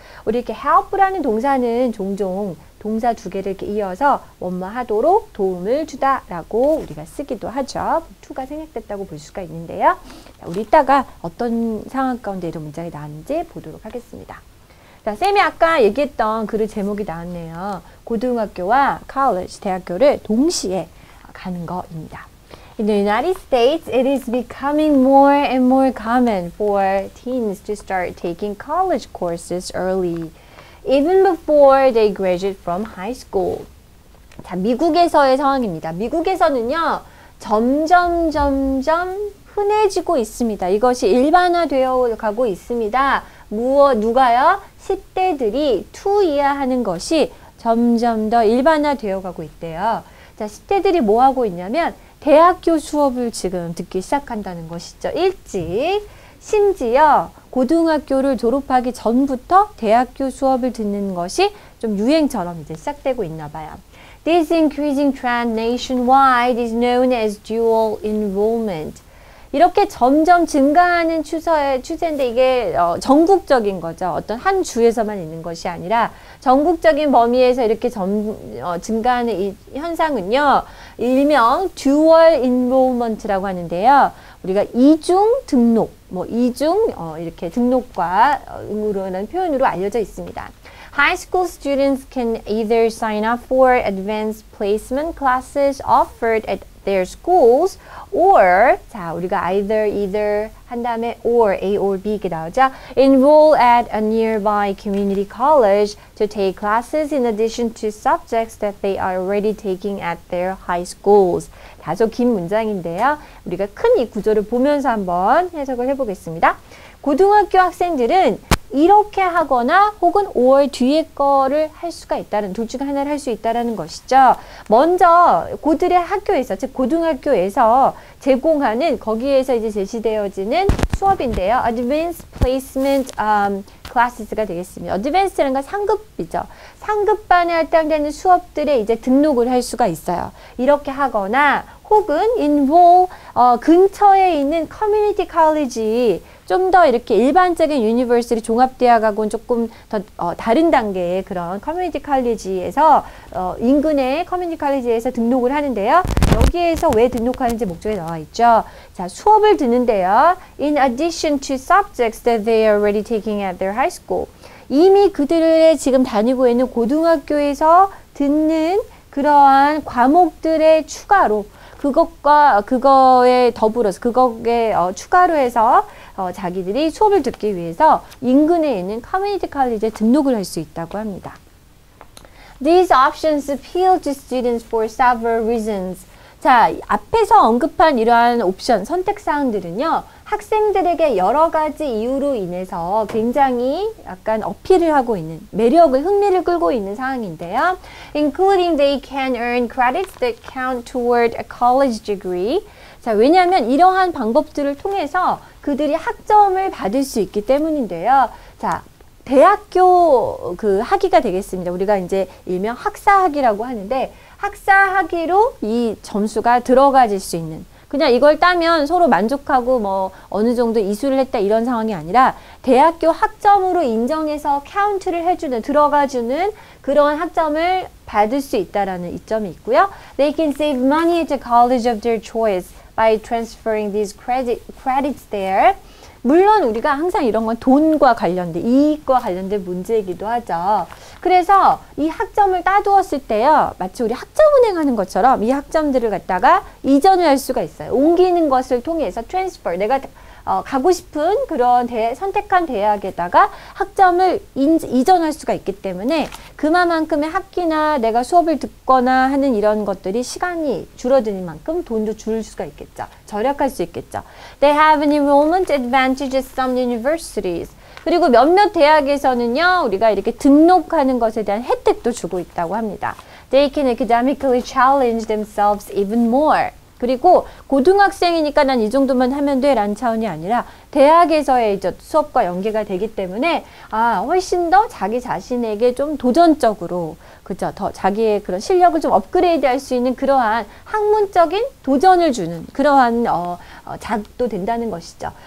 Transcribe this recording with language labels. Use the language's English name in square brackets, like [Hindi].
[Korean] 우리 이렇게 help라는 동사는 종종 동사 두 개를 이렇게 이어서 원만하도록 도움을 주다라고 우리가 쓰기도 하죠. 투가 생략됐다고 볼 수가 있는데요. 자, 우리 이따가 어떤 상황 가운데 이런 문장이 나왔는지 보도록 하겠습니다. 자, 쌤이 아까 얘기했던 글의 제목이 나왔네요. 고등학교와 college, 대학교를 동시에 가는 거입니다. [English] In the United States, it is becoming more and more common for teens to start taking college courses early, even before they graduate from high school. [Korean] 자, 미국에서의 상황입니다. 미국에서는요, 점점 흔해지고 있습니다. 이것이 일반화되어 가고 있습니다. 누가요? 10대들이 투이어 하는 것이 점점 더 일반화되어 가고 있대요. 자, 10대들이 뭐 하고 있냐면, 대학교 수업을 지금 듣기 시작한다는 것이죠. 일찍. 심지어 고등학교를 졸업하기 전부터 대학교 수업을 듣는 것이 좀 유행처럼 이제 시작되고 있나 봐요. [English] This increasing trend nationwide is known as dual enrollment. [Korean] 이렇게 점점 증가하는 추세인데 이게 전국적인 거죠. 어떤 한 주에서만 있는 것이 아니라 전국적인 범위에서 이렇게 증가하는 이 현상은요. 일명 듀얼 인롤먼트라고 하는데요. 우리가 이중 등록, 뭐 이중 이렇게 등록과 응으로라는 표현으로 알려져 있습니다. [English] High school students can either sign up for advanced placement classes offered at their schools, or [Korean] 자 우리가 either 한 다음에 or A or B 이렇게 나오죠. [English] Enroll at a nearby community college to take classes in addition to subjects that they are already taking at their high schools. [Korean] 다소 긴 문장인데요. 우리가 큰이 구조를 보면서 한번 해석을 해보겠습니다. 고등학교 학생들은 이렇게 하거나 혹은 5월 뒤에 거를 할 수가 있다는 둘 중에 하나를 할수 있다라는 것이죠. 먼저 그들의 학교에서 즉 고등학교에서 제공하는 거기에서 이제 제시되어지는 수업인데요. Advanced Placement classes가 되겠습니다. Advanced라는 건 상급이죠. 상급반에 해당되는 수업들에 이제 등록을 할 수가 있어요. 이렇게 하거나 혹은 involve 근처에 있는 커뮤니티 칼리지, 좀 더 이렇게 일반적인 유니버시티 종합대학하고는 조금 더 다른 단계의 그런 커뮤니티 칼리지에서 인근의 커뮤니티 칼리지에서 등록을 하는데요. 여기에서 왜 등록하는지 목적이 나와 있죠. 자, 수업을 듣는데요. [English] In addition to subjects that they are already taking at their high school. [Korean] 이미 그들의 지금 다니고 있는 고등학교에서 듣는 그러한 과목들의 추가로 그것과 그거에 더불어서 그거에 추가로 해서 자기들이 수업을 듣기 위해서 인근에 있는 커뮤니티 칼리지에 등록을 할 수 있다고 합니다. [English] These options appeal to students for several reasons. [Korean] 자, 앞에서 언급한 이러한 옵션, 선택 사항들은요. 학생들에게 여러 가지 이유로 인해서 굉장히 약간 어필을 하고 있는 매력을 흥미를 끌고 있는 상황인데요. [English] Including they can earn credits that count toward a college degree. [Korean] 자, 왜냐하면 이러한 방법들을 통해서 그들이 학점을 받을 수 있기 때문인데요. 자, 대학교 그 학위가 되겠습니다. 우리가 이제 일명 학사학위라고 하는데 학사학위로 이 점수가 들어가질 수 있는 그냥 이걸 따면 서로 만족하고 뭐 어느 정도 이수를 했다 이런 상황이 아니라 대학교 학점으로 인정해서 카운트를 해주는, 들어가주는 그런 학점을 받을 수 있다라는 이점이 있고요. [English] They can save money at the college of their choice by transferring these credits there. [Korean] 물론 우리가 항상 이런 건 돈과 관련된, 이익과 관련된 문제이기도 하죠. 그래서 이 학점을 따두었을 때요. 마치 우리 학점은행 하는 것처럼 이 학점들을 갖다가 이전을 할 수가 있어요. 옮기는 것을 통해서 transfer. 내가 가고 싶은 그런 선택한 대학에다가 학점을 이전할 수가 있기 때문에 그만큼의 학기나 내가 수업을 듣거나 하는 이런 것들이 시간이 줄어드는 만큼 돈도 줄 수가 있겠죠. 절약할 수 있겠죠. [English] They have an enrollment advantage at some universities. [Korean] 그리고 몇몇 대학에서는요. 우리가 이렇게 등록하는 것에 대한 혜택도 주고 있다고 합니다. [English] They can academically challenge themselves even more. [Korean] 그리고 고등학생이니까 난 이 정도만 하면 돼 라는 차원이 아니라 대학에서의 이제 수업과 연계가 되기 때문에 아 훨씬 더 자기 자신에게 좀 도전적으로 그죠 더 자기의 그런 실력을 좀 업그레이드 할 수 있는 그러한 학문적인 도전을 주는 그러한 작도 된다는 것이죠.